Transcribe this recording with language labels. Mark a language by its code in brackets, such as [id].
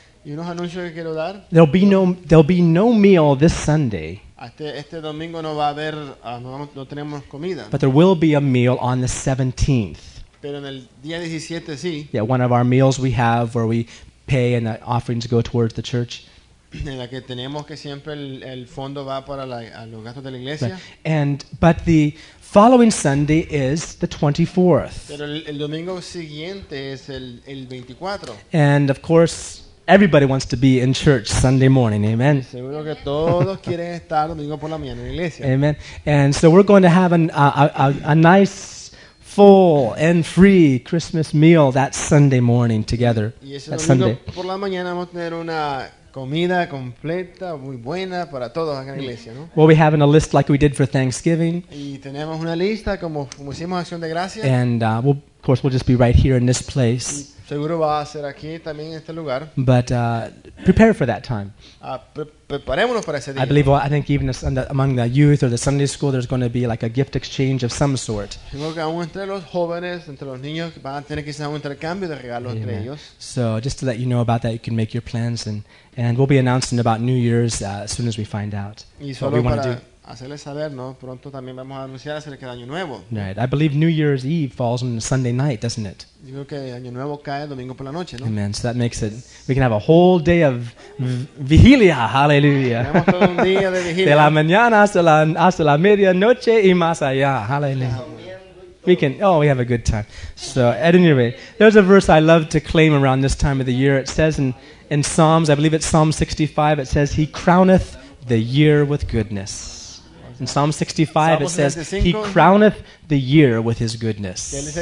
[en] There'll be no meal this Sunday. [es] Este domingo no va a haber, no tenemos comida. [en] But there will be a meal on the 17th. [es] Pero en el día 17, sí. [en] Yeah, one of our meals we have where we pay and the offerings go towards the church. [es] En la que tenemos que siempre el fondo va para a los gastos de la iglesia. [en] But the following Sunday is the 24th. [es] Pero el domingo siguiente es el 24. [en] And of course, everybody wants to be in church Sunday morning, amen. [es] Seguro que todos quieren estar domingo por la mañana en la iglesia. [en] Amen. And so we're going to have a nice full and free Christmas meal that Sunday morning together. [es] Y ese domingo Sunday. Por la mañana vamos a tener una comida completa, muy buena para todos acá en la iglesia, ¿no? [en] We'll be having a list like we did for Thanksgiving. [es] Y tenemos una lista como hicimos Acción de Gracias. [en] And we'll, of course, we'll just be right here in this place. [es] Y Seguro va a ser aquí también en este lugar. [en] But prepare for that time. [es] Preparémonos para ese día. [en] I think even among the youth or the Sunday school, there's going to be like a gift exchange of some sort. [es] Creo que aún entre los jóvenes, entre los niños, van a tener quizás un intercambio de regalos entre ellos. [en] So just to let you know about that, you can make your plans, and we'll be announcing about New Year's as soon as we find out what we want to do. [es] Hacerles saber, ¿no? Pronto también vamos a anunciar acerca de Año Nuevo. [en] Right. I believe New Year's Eve falls on a Sunday night, doesn't it? [es] Yo creo que Año Nuevo cae domingo por la noche, ¿no? [en] Amen. So that makes it, we can have a whole day of vigilia. Hallelujah. [es] Tenemos todo un día de vigilia. De la mañana hasta la medianoche y más allá. [en] Hallelujah. We can, we have a good time. So at any rate, there's a verse I love to claim around this time of the year. It says in Psalms, I believe it's Psalm 65, it says, He crowneth the year with goodness. In Psalm 65, it says, He crowneth the year with His goodness.